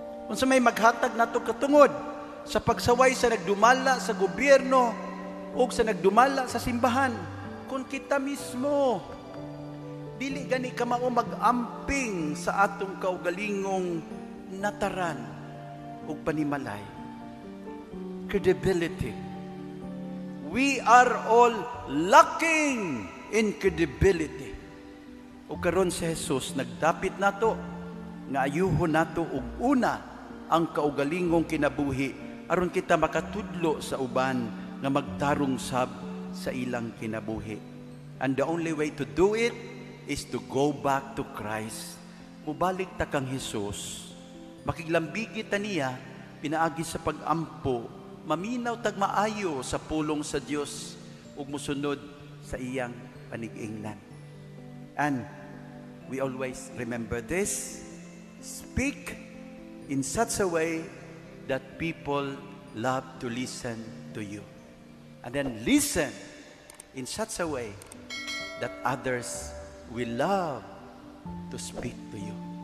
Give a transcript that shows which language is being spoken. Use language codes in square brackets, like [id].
[ceb] Unsa may maghatag nato katungod sa pagsaway sa nagdumala sa gobyerno o sa nagdumala sa simbahan kung kita mismo dili gani ka mao mag-amping sa atong kaugalingong nataran o panimalay. [en] Credibility. We are all lacking in credibility. [ceb] O karon si Jesus, nagdapit nato, nga ayuhon nato og una ang kaugalingong kinabuhi aron kita makatudlo sa uban nga magtarong sab sa ilang kinabuhi. [en] And the only way to do it is to go back to Christ. [ceb] Mubalik ta kang Jesus. Makiglambigit ta niya, pinaagi sa pag-ampo, maminaw tag maayo sa pulong sa Dios ug musunod sa iyang panig-ingnan. [en] And we always remember this, speak in such a way that people love to listen to you. And then listen in such a way that others will love to speak to you.